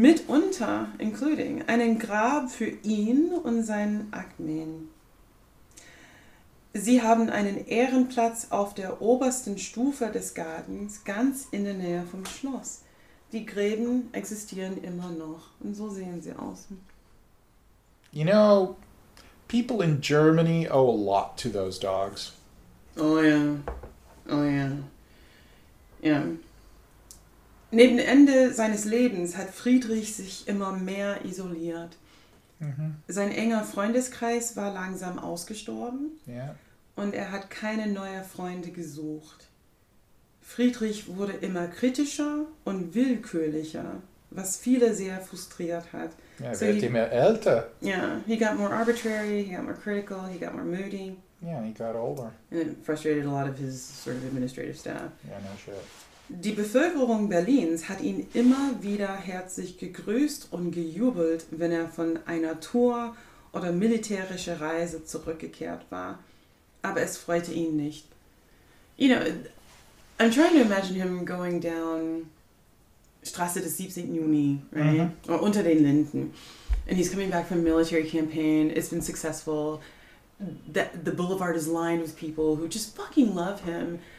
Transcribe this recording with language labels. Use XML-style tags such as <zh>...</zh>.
<de>Mitunter,</de> <en>including,</en> <de>einen Grab für ihn und seinen Akmen. Sie haben einen Ehrenplatz auf der obersten Stufe des Gartens, ganz in der Nähe vom Schloss. Die Gräben existieren immer noch. Und so sehen sie aus.</de> <en>You know, people in Germany owe a lot to those dogs.</en> <de>Oh ja. Neben Ende seines Lebens hat Friedrich sich immer mehr isoliert. Mhm. Sein enger Freundeskreis war langsam ausgestorben. Ja. Und er hat keine neuen Freunde gesucht. Friedrich wurde immer kritischer und willkürlicher, was viele sehr frustriert hat. Ja, wird immer älter. Ja,</de> <en>he got more arbitrary, he got more critical, he got more moody. Yeah, he got older. And it frustrated a lot of his sort of administrative staff. Yeah, no shit.</en> <de>Die Bevölkerung Berlins hat ihn immer wieder herzlich gegrüßt und gejubelt, wenn er von einer Tour oder militärischer Reise zurückgekehrt war. Aber es freute ihn nicht.</de> <en>You know, I'm trying to imagine him going down Straße des 17. Juni, right? Mm-hmm. Or unter den Linden. And he's coming back from a military campaign. It's been successful. The boulevard is lined with people who just fucking love him.</en>